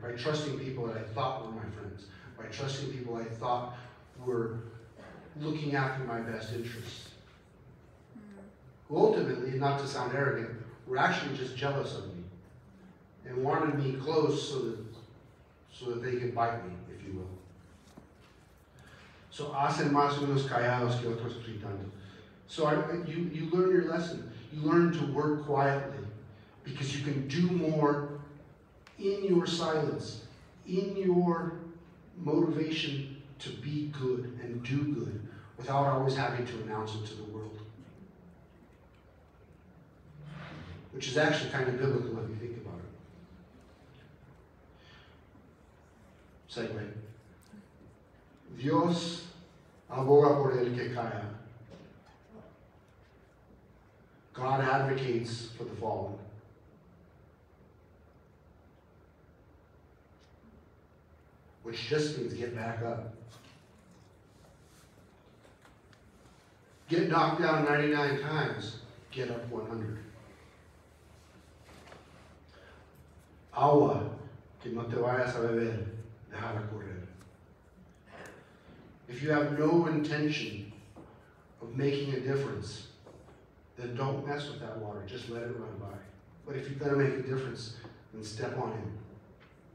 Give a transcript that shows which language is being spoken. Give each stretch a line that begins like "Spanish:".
English: By trusting people that I thought were my friends, by trusting people I thought were looking after my best interests. Ultimately, not to sound arrogant, were actually just jealous of me and wanted me close so that they could bite me, if you will. So,
Spanish: hacen más unos callados que otros gritando.
English: So, you learn your lesson. You learn to work quietly because you can do more in your silence, in your motivation to be good and do good without always having to announce it to the world. Which is actually kind of biblical if you think about it.
Spanish: Segue. Dios aboga por el que calla.
English: God advocates for the fallen. Which just means get back up. Get knocked down 99 times, get up 100.
Spanish: Agua que no te vayas a beber, déjala correr.
English: If you have no intention of making a difference, then don't mess with that water. Just let it run by. But if you've got to make a difference, then step on it.